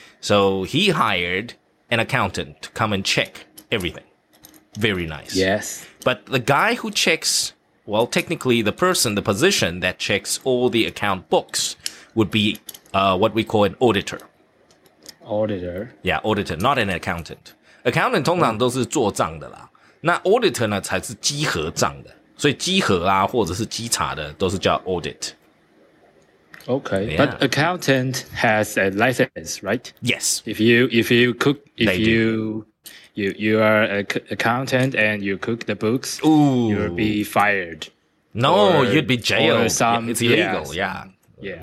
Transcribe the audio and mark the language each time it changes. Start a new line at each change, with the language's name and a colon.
English: So, he hired an accountant to come and check everything. Very nice. Yes. But the guy who checks, well, technically the person, the position that checks all the account books would be what we call an auditor. Auditor. Yeah, auditor, not an accountant.
Chinese: Accountant 通常都是做账的啦。那 auditor 呢才是稽核账的。所以稽核啊或者是稽查的都是叫 audit.
English: Okay,、yeah. but accountant has a license, right? Yes. If you are an accountant and you cook the books,、 Ooh. You'll be fired. No, you'd be jailed. It's illegal, yes, yeah. Yeah.